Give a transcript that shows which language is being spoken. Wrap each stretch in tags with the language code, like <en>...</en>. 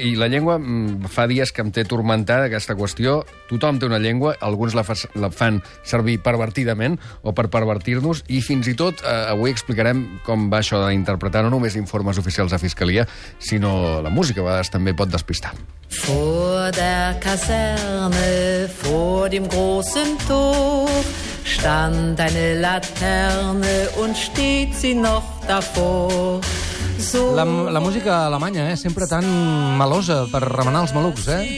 <ca>I la llengua fa dies que em té turmentada aquesta qüestió. Tothom té una llengua, alguns la fan servir pervertidament o per pervertir-nos, i fins i tot avui explicarem com va això d'interpretar no només informes oficials de fiscalia, sinó la música, a vegades també pot despistar.</ca> <de>Vor der Kaserne, vor dem großen Tor, stand eine Laterne und steht sie noch davor.</de> <ca>La música alemanya, eh? Sempre tan melosa per remenar els malucs, eh?</ca>